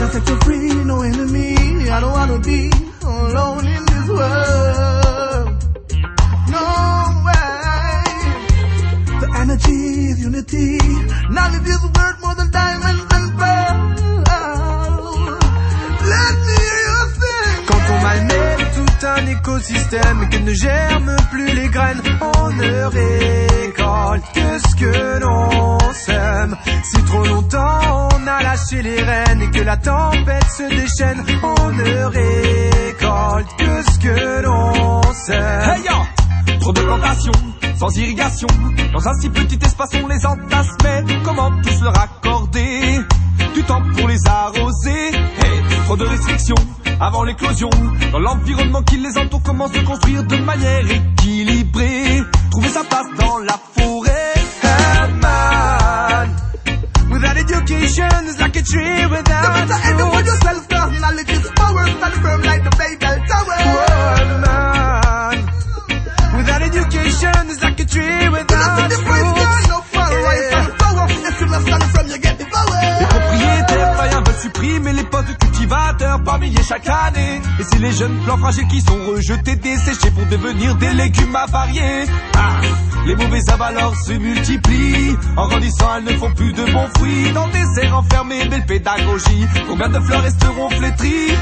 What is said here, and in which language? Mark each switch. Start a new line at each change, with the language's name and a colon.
English: Just set you free, no enemy. I don't wanna be alone in this world. No way. The energy of unity. Knowledge is worth more than diamonds and pearls. Let me hear you sing.
French: Quand on malmène un écosystème qui ne germe plus les graines, on ne récolte que ce que l'on sème. Si trop longtemps on a lâché les rênes et que la tempête se déchaîne, on ne récolte que ce que l'on sème. Hey yo, trop de plantations sans irrigation, dans un si petit espace on les entasse. Mais comment tous leur accorder du temps pour les arroser? Hey, trop de restrictions avant l'éclosion, dans l'environnement qui les entoure, comment se construire de manière équilibrée? Trouver sa place dans la forêt.
English: Hey man, without education is like a tree without roots. The better educate yourself, cause knowledge is power, stand firm like the Babel Tower. Hey man, without education is like a tree without roots. The better educate yourself, cause knowledge is power, stand firm like the Babel Tower. If you must stand firm, you get devoured.
French: Les propriétaires païens veulent supprimer les postes de culture par milliers chaque année. Et c'est les jeunes plants fragiles qui sont rejetés, desséchés pour devenir des légumes avariés. Ah, les mauvais avaleurs se multiplient, en grandissant elles ne font plus de bons fruits. Dans des airs enfermés, belle pédagogie, combien de fleurs resteront flétries?